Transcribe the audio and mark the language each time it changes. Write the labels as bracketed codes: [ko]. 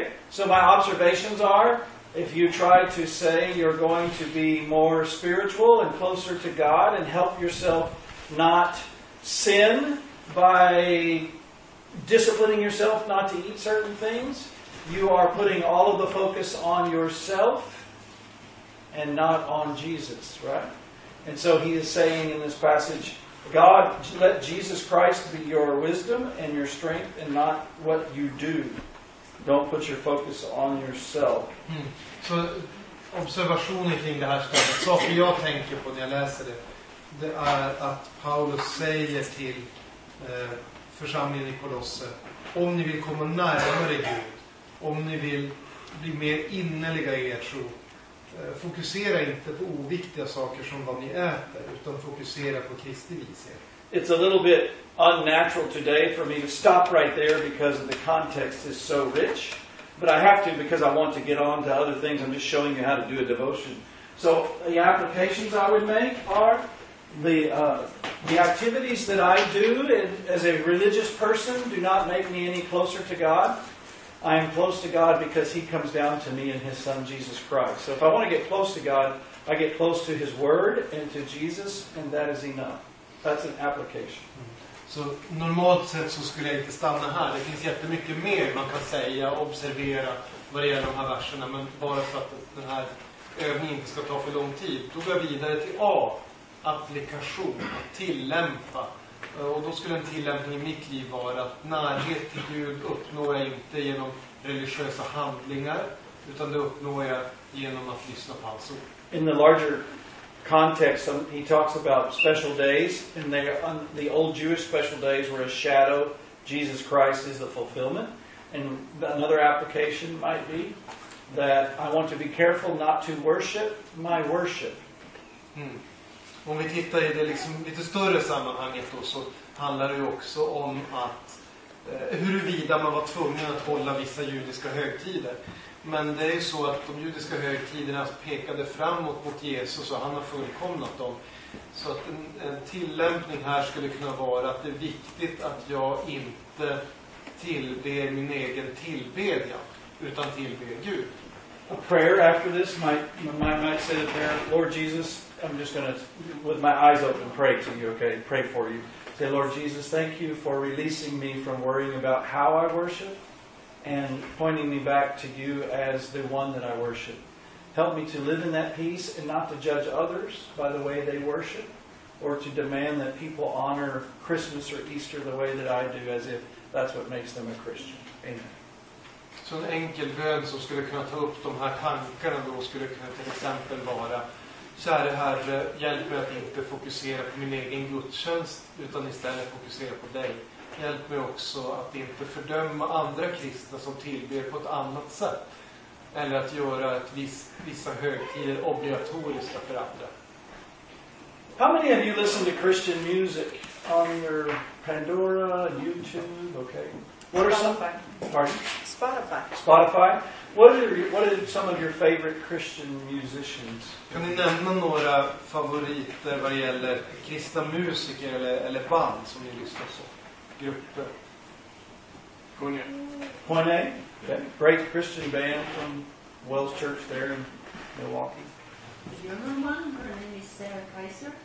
[en] So my observations are, if you try to say you're going to be more spiritual and closer to God and help yourself not sin by disciplining yourself not to eat certain things, you are putting all of the focus on yourself and not on Jesus, right? And so he is saying in this passage, God, let Jesus Christ be your wisdom and your strength and not what you do. Don't put your focus on yourself. [sv] Så observationen kring det här stället, saker jag tänker på när jag läser det är att Paulus säger till församlingen i Kolosse, om ni vill komma närmare Gud, om ni vill bli mer innerliga i er tro, fokusera inte på oviktiga saker som vad ni äter, utan fokusera på Kristi vishet. [en] It's a little bit unnatural today for me to stop right there because the context is so rich, but I have to because I want to get on to other things. I'm just showing you how to do a devotion. So the applications I would make are the activities that I do as a religious person do not make me any closer to God. I am close to God because He comes down to me in His Son, Jesus Christ. So if I want to get close to God, I get close to His Word and to Jesus, and that is enough. That's an application. Mm. [sv] Så normalt sett så skulle jag inte stanna här. Det finns jättemycket mer man kan säga och observera vad det gäller de här verserna. Men bara för att den här övningen inte ska ta för lång tid. Då går jag vidare till A, applikation, att tillämpa. Och då skulle en tillämpning i mitt liv vara att närhet till Gud uppnår jag inte genom religiösa handlingar. Utan det uppnår jag genom att lyssna på hans ord. [en] In the larger context, he talks about special days, and they are, the old Jewish special days were a shadow. Jesus Christ is the fulfillment. And another application might be that I want to be careful not to worship my worship. Mm. [sv] Om vi tittar i det liksom lite större sammanhanget då, så handlar det ju också om att huruvida man var tvungen att hålla vissa judiska högtider. Men det är ju så att de judiska högtiderna pekade framåt mot Jesus och han har fullkomnat dem. Så att en tillämpning här skulle kunna vara att det är viktigt att jag inte tillber min egen tillbedjan, utan tillber Gud. [en] A prayer after this might say the prayer, Lord Jesus, I'm just gonna, with my eyes open, pray to you, okay? Pray for you. Say, Lord Jesus, thank you for releasing me from worrying about how I worship. And pointing me back to you as the one that I worship. Help me to live in that peace and not to judge others by the way they worship, or to demand that people honor Christmas or Easter the way that I do, as if that's what makes them a Christian. Amen. [sv] Så en enkel bön som skulle kunna ta upp de här tankarna då skulle kunna till exempel vara, så är det här, hjälp mig att inte fokusera på min egen gudstjänst utan istället fokusera på dig. Hjälp mig också att inte fördöma andra kristna som tillber på ett annat sätt. Eller att göra ett vissa högtider obligatoriska för andra. [en] How many of you listen to Christian music on your Pandora, YouTube, okay? What are some? Pardon? Spotify. What are some of your favorite Christian musicians? [sv] Kan ni nämna några favoriter vad gäller kristna musiker eller band som ni lyssnar på? [en] Pointe. Yeah. Okay. Great Christian band from Wells Church there in Milwaukee. Do you remember her name is Sarah Kaiser?